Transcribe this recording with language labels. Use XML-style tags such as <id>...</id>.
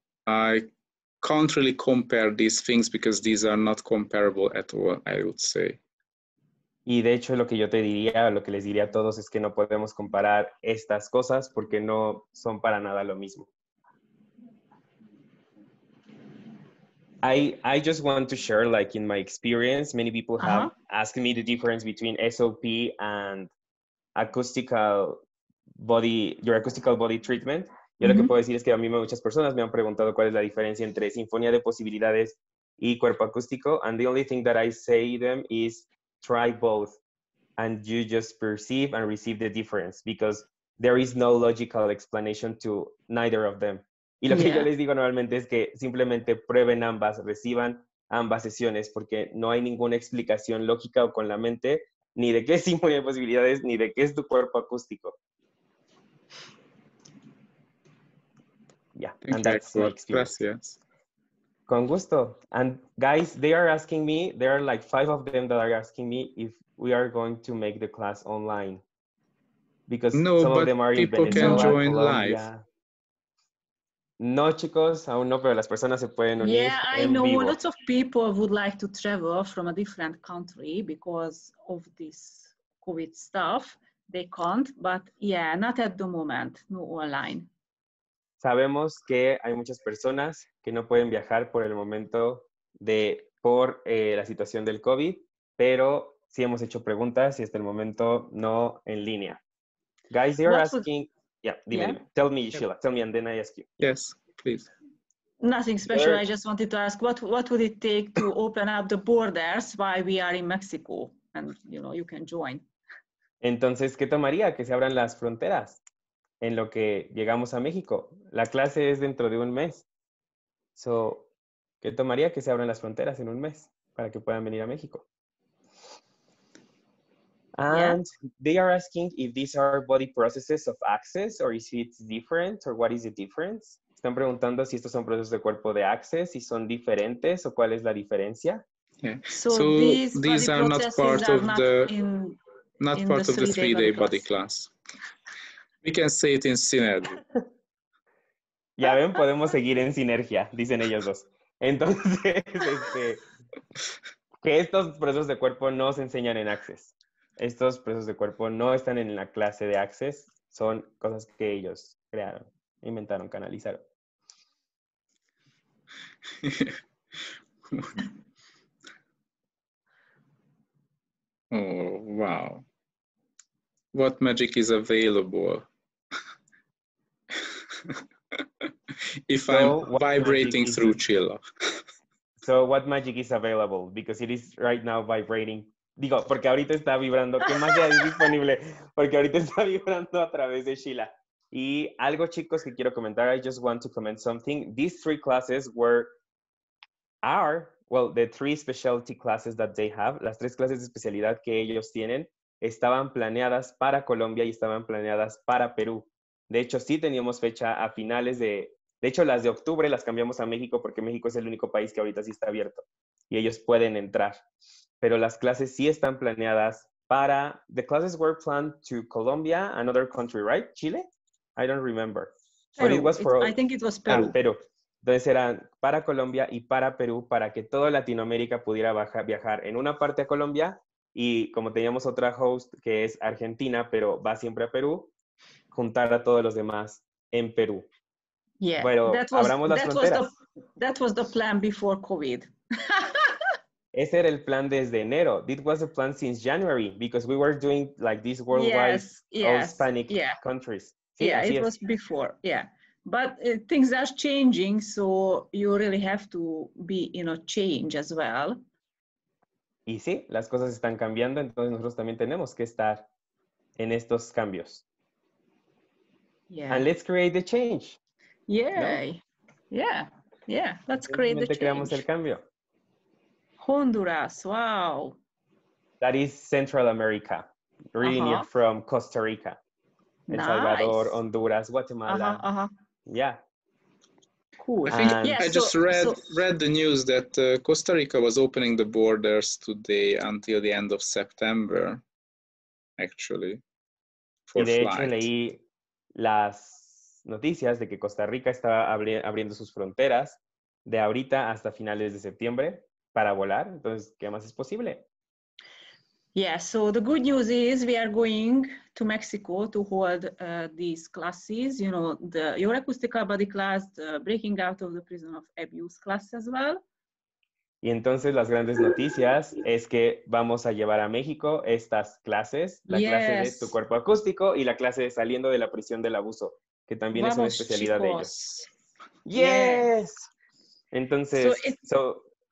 <en>I can't really compare these things because these are not comparable at all, I would say.</en> <es>Y de hecho, lo que yo te diría, lo que les diría a todos es que no podemos comparar estas cosas porque no son para nada lo mismo.</es> <en>I just want to share, like in my experience, many people have asked me the difference between SOP and acoustical body, your acoustical body treatment.</en> <es>Yo lo que puedo decir es que a mí muchas personas me han preguntado cuál es la diferencia entre sinfonía de posibilidades y cuerpo acústico.</es> <en>And the only thing that I say to them is try both and you just perceive and receive the difference because there is no logical explanation to neither of them.</en> <es>Y lo que yo les digo normalmente es que simplemente prueben ambas, reciban ambas sesiones porque no hay ninguna explicación lógica o con la mente ni de qué es sinfonía de posibilidades ni de qué es tu cuerpo acústico.</es> <en>Yeah, and that's the experience.</en> <es>Gracias. Con gusto.</es> <en>And guys, they are asking me, there are like 5 of them that are asking me if we are going to make the class online. Because some of them are in Venezuela. People can join live.</en> <es>No, chicos, aún no, pero las personas se pueden unir.</es> <en>Yeah, I</en> <es>en</es> <en>know</en> <es>vivo.</es> <en>Lots of people would like to travel from a different country because of this COVID stuff. They can't, but yeah, not at the moment, no online.</en> <es>Sabemos que hay muchas personas que no pueden viajar por el momento de por la situación del COVID, pero sí hemos hecho preguntas y hasta el momento no en línea.</es> <en>Guys, they are asking.</en> <es>Dime.</es> <en>Tell me, Sheila. Tell me, and then I ask you. Yes, please. Nothing special. I just wanted to ask, what would it take to open up the borders while we are in Mexico, and you know, you can join.</en> <es>Entonces, ¿qué tomaría que se abran las fronteras en lo que llegamos a México? La clase es dentro de un mes. So, ¿qué tomaría que se abran las fronteras en un mes para que puedan venir a México?</es> <en>And they are asking if these are body processes of access or is it different or what is the difference?</en> <es>Están preguntando si estos son procesos de cuerpo de access, si son diferentes o cuál es la diferencia.</es> <en>So these are not part of the not part of the 3-day body class. We can say it in synergy.</en> <es>Ya ven, podemos seguir en sinergia, dicen ellos dos. Entonces, que estos procesos de cuerpo no se enseñan en access. Estos procesos de cuerpo no están en la clase de access, son cosas que ellos crearon, inventaron, canalizaron.</es> <en>Oh, wow. What magic is available? If so, I'm vibrating through Chilo. So what magic is available? Because it is right now vibrating.</en> <es>Digo, porque ahorita está vibrando. ¿Qué magia es disponible? Porque ahorita está vibrando a través de Sheila. Y algo, chicos, que quiero comentar.</es> <en>I just want to comment something. These three classes are the three specialty classes that they have.</en> <es>Las tres clases de especialidad que ellos tienen estaban planeadas para Colombia y estaban planeadas para Perú. De hecho, sí teníamos fecha a finales de... De hecho, las de octubre las cambiamos a México porque México es el único país que ahorita sí está abierto. Y ellos pueden entrar. Pero las clases sí están planeadas para...</es> <en>The classes were planned to Colombia, another country, right? ¿Chile? I don't remember. Pero, but it was for... I think it was Peru.</en> <es>Perú. Entonces eran para Colombia y para Perú para que toda Latinoamérica pudiera viajar en una parte a Colombia y como teníamos otra host que es Argentina, pero va siempre a Perú, juntar a todos los demás en Perú.</es> <en>Yeah.</en> <es>Bueno, abramos las fronteras.</es> <en>That was the plan before COVID.</en> <es>Ese era el plan desde enero.</es> <en>It was a plan since January because we were doing like this worldwide all Hispanic countries. Sí, it was before. Yeah. But things are changing, so you really have to be in a change as well.</en> <es>Y sí, las cosas están cambiando, entonces nosotros también tenemos que estar en estos cambios.</es> <en>Yeah. And let's create the change. Yeah. No? Yeah. Yeah, let's create the change.</en> <es>Creamos el cambio.</es> <en>Honduras, wow. That is Central America, really near from Costa Rica. El Salvador, Honduras, Guatemala. Yeah. Cool. I just read the news that Costa Rica was opening the borders today until the end of September, actually, for flight.</en> <es>De hecho, leí las noticias de que Costa Rica estaba abriendo sus fronteras de ahorita hasta finales de septiembre. Para volar, entonces, ¿qué más es posible?</es> <en>Yeah, so the good news is we are going to Mexico to hold these classes, you know, the your acoustical body class, the breaking out of the prison of abuse class as well.</en> <es>Y entonces las grandes noticias es que vamos a llevar a México estas clases, la clase de tu cuerpo acústico y la clase de saliendo de la prisión del abuso, que también vamos, es una especialidad chicos. De ellos.</es> <en>Yes.</en> <es>Entonces, so</es>